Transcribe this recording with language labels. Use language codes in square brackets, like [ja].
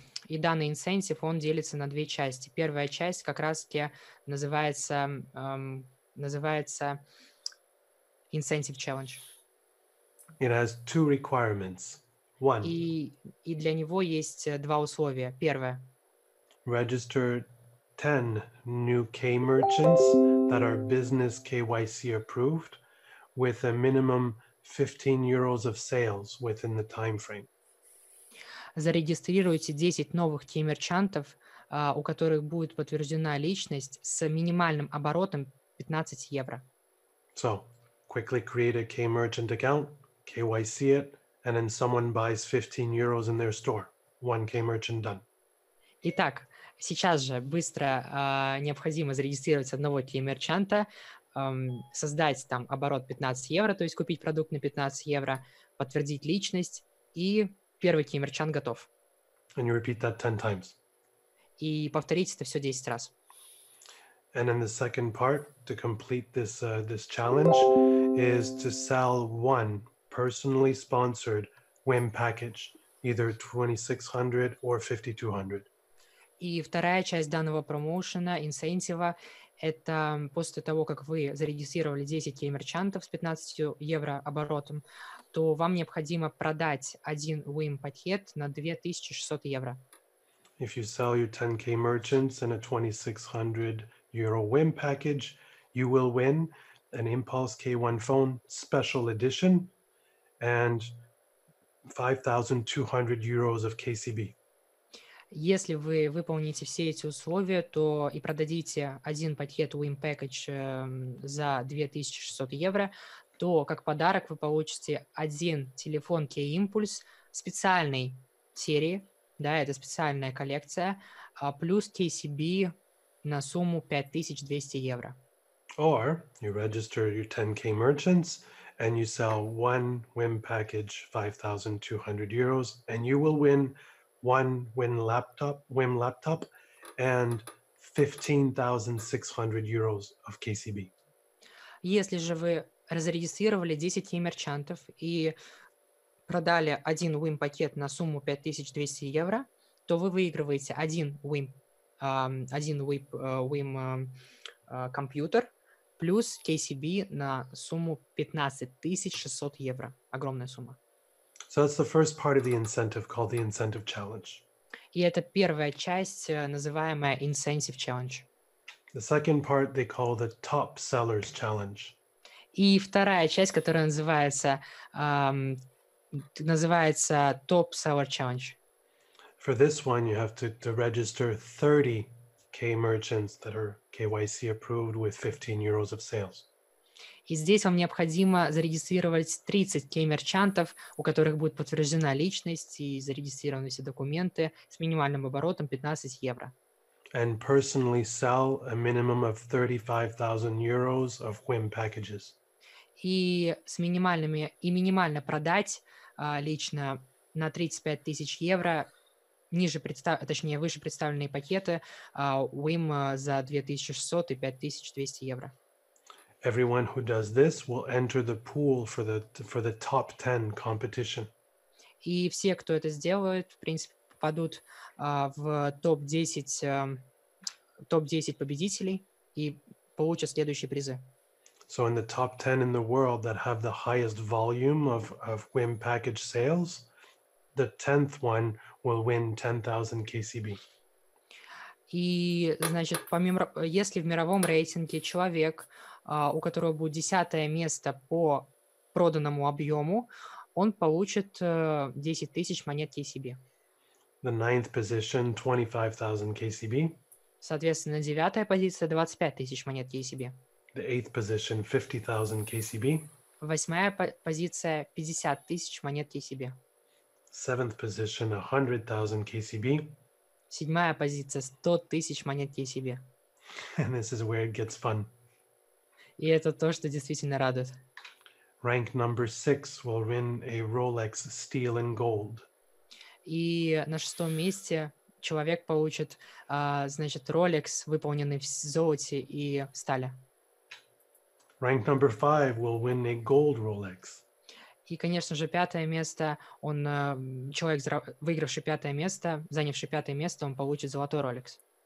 [ru] И данный инсентив, он делится на две части. Первая часть как раз-таки называется Incentive Challenge. [en] It has two requirements. One. [ru] И для него есть два условия. Первое. [en] Register 10 new K merchants that are business KYC approved with a minimum 15 euros of sales within the time frame. [ru] Зарегистрируйте 10 новых кей-мерчантов, у которых будет подтверждена личность с минимальным оборотом 15 евро. [en] So, quickly create a K-merchant account, KYC it, and then someone buys 15 euros in their store. One K-merchant done. [ru] Итак, сейчас же быстро необходимо зарегистрировать одного кей-мерчанта, создать там оборот 15 евро, то есть купить продукт на 15 евро, подтвердить личность и... Первый кей-мерчант готов. [en] And you repeat that 10 times. [ru] И повторить это все 10 раз. [en] And then the second part to complete this this challenge is to sell one personally sponsored whim package, either 2600 or 5200. [ru] И вторая часть данного промоушена, инсентива, это после того, как вы зарегистрировали 10 кей-мерчантов с 15 евро оборотом, то вам необходимо продать один WIM пакет на 2600 евро. [en] If you sell your 10K merchants in a 2600 euro WIM package, you will win an Impulse K1 phone special edition and 5200 euros of KCB. [ru] Если вы выполните все эти условия, то и продадите один пакет WIM package за 2600 евро, то как подарок вы получите один телефон K-Impulse специальной серии, да, это специальная коллекция, плюс KCB на сумму 5200 евро. [en] Or you register your 10K merchants and you sell one WIM package 5200 euros and you will win one WIM laptop and 15600 euros of KCB. [ru] Если же вы разрегистрировали 10 кей-мерчантов и продали один WIM-пакет на сумму 5200 евро, то вы выигрываете один WIM-компьютер плюс KCB на сумму 15600 евро. Огромная сумма. [en] So that's the first part of the incentive called the Incentive Challenge. [ru] И это первая часть, называемая Incentive Challenge. [en] The second part they call the Top Sellers Challenge. [ru] И вторая часть, которая называется называется Top Seller Challenge. [en] For this one, you have to register 30 K merchants that are KYC approved with 15 euros of sales. [ru] И здесь вам необходимо зарегистрировать 30 кей-мерчантов, у которых будет подтверждена личность и зарегистрированы все документы с минимальным оборотом 15 евро. [en] And personally sell a minimum of 35,000 euros of WIM packages. [ru] И с минимальными и минимально продать лично на 35 тысяч евро ниже выше представленные пакеты WIM за 2600 и 5200 евро. [en] Everyone who does this will enter the pool for the top 10 competition. [ru] И все, кто это сделает, в принципе, попадут в топ-10 победителей и получат следующие призы. [en] So in the top 10 in the world that have the highest volume of WIM package sales, the 10th one will win 10,000 KCB. [ru] И, значит, помимо, если в мировом рейтинге человек, у которого будет 10 место по проданному объему, он получит 10 тысяч монет KCB. [en] The ninth position, 25,000 KCB. [ru] Соответственно, 9-я позиция, 25 тысяч монет KCB. [en] The eighth position, 50,000 KCB. [ru] 8-я позиция, 50 тысяч монет KCB. [en] Seventh position, 100,000 KCB. [ru] 7-я позиция, 100 тысяч монет KCB. [en] And this is where it gets fun. [ru] И это то, что действительно радует. [en] Rank number 6 will win a Rolex steel and gold. [ru] И на 6-м месте человек получит, значит, Rolex, выполненный в золоте и стали. [en] Rank number 5 will win a gold Rolex. [ru] И, конечно же, 5-е место, он человек, выигравший 5-е место, занявший 5-е место, он получит золотой Rolex.